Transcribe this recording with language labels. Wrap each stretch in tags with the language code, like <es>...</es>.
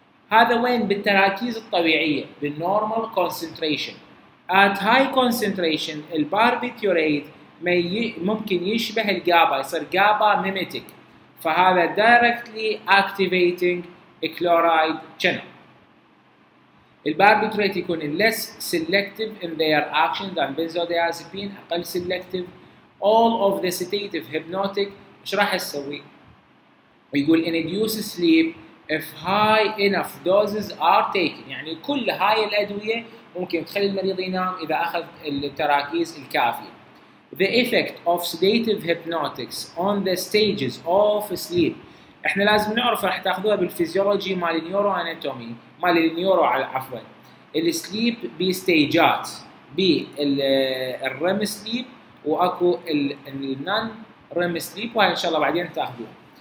<ar>هذا وين؟ بالتراكيز الطبيعيه، بالنورمال كونسنتريشن. ات هاي كونسنتريشن الباربيتوريت ممكن يشبه الجابا، يصير جابا ميميتيك، فهذا دايركتلي اكتيفيتنج كلورايد شانل. الباربيتوريت يكون</ar> <en>less selective in their action than benzodiazepine،</en> <ar>أقل</ar> <en>selective. All of the sedative hypnotic</en> <ar>إيش راح يسوي؟ يقول</ar> <en>induce sleep if high enough doses are taken،</en> <ar>يعني كل هاي الأدوية ممكن تخلي المريض ينام إذا أخذ التراكيز الكافية.</ar> <en>The effect of sedative hypnotics on the stages of sleep،</en> <ar>احنا لازم نعرف راح تاخذوها بالفيزيولوجي مال النيورو اناتومي، مال النيورو عفوا، السليب بستيجات، بالرم سليب واكو النن رم سليب، وهي ان شاء الله بعدين تاخذوها.</ar>